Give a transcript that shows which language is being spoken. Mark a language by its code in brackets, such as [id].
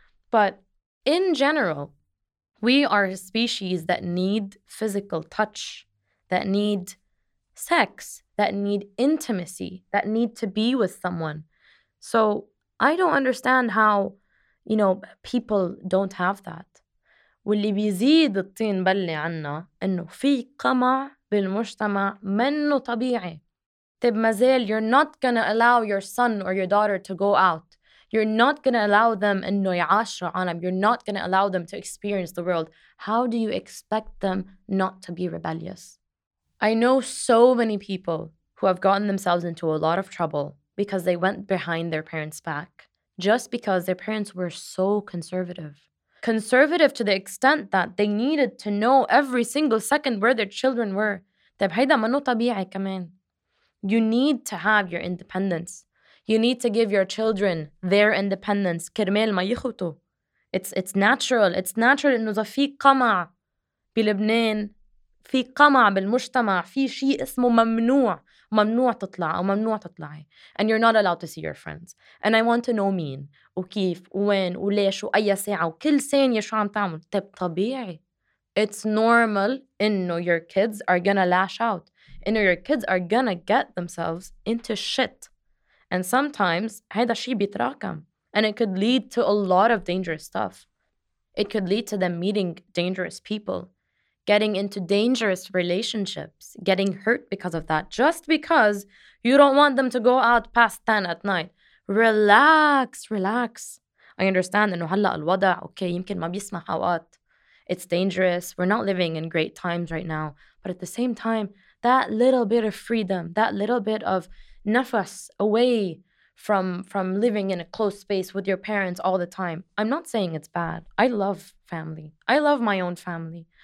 [en] But in general, we are a species that need physical touch, that need sex, that need intimacy, that need to be with someone. So I don't understand how, you know, people don't have that. [ar] واللي بيزيد الطين بلة عنا إنه في قمع بالمجتمع منه طبيعي. طيب مازال, [en] you're not gonna allow your son or your daughter to go out. You're not gonna allow them [ar] إنه يعاشروا عالم. [en] You're not gonna allow them to experience the world. How do you expect them not to be rebellious? I know so many people who have gotten themselves into a lot of trouble because they went behind their parents' back just because their parents were so conservative. Conservative to the extent that they needed to know every single second where their children were. [ar] طيب هيدا منو طبيعي كمان. [en] You need to have your independence. You need to give your children their independence. [ar] كرمال ما يخوتوا. [en] It's natural. It's natural [ar] إنه إذا في قمع بلبنان, في قمع بالمجتمع, في شيء اسمه ممنوع. ممنوع تطلع أو ممنوع تطلعي. [en] And you're not allowed to see your friends. And I want to know [ar] مين وكيف وين وليش وأي ساعة وكل ثانية شو عم تعمل. طيب طبيعي. [en] It's normal [ar] إنه [en] your kids are gonna lash out. And your kids are gonna get themselves into shit. And sometimes, [ar] هذا شيء بيتراكم. [en] And it could lead to a lot of dangerous stuff. It could lead to them meeting dangerous people, getting into dangerous relationships, getting hurt because of that, just because you don't want them to go out past 10 at night. Relax, relax. I understand [ar] إنه هلا الوضع, okay, يمكن ما بيسمح أوقات. [en] It's dangerous. We're not living in great times right now. But at the same time, that little bit of freedom, that little bit of nafas away from living in a close space with your parents all the time. I'm not saying it's bad. I love family. I love my own family.